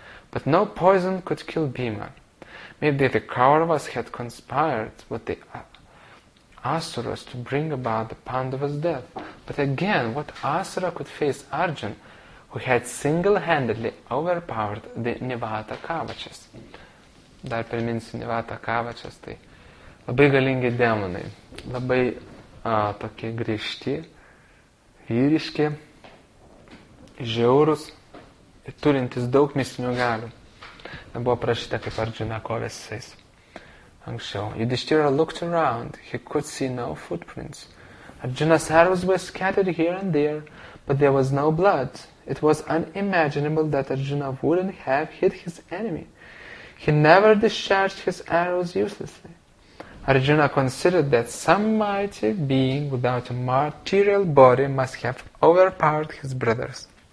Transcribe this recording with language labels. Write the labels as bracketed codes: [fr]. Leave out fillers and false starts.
[en] But no poison could kill Bhima. Maybe the Kauravas had conspired with the Asuras to bring about the Pandava's death. But again, what Asura could face Arjun, who had single-handedly overpowered the Nivata Kavachas? [lt] Dar priminsiu, Nivata Kavačas, tai labai galingi demonai, labai tokie griežti, vyriški, žiaurus ir turintis daug mistinių galių. Buvo prašyta, kaip Arjuna kovėsi anksčiau. [en] Yudhishthira looked around, he could see no footprints. Arjuna's arrows were scattered here and there, but there was no blood. It was unimaginable that Arjuna wouldn't have hit his enemy. He never discharged his arrows uselessly. Arjuna considered that some mighty being without a material body must have overpowered his brothers.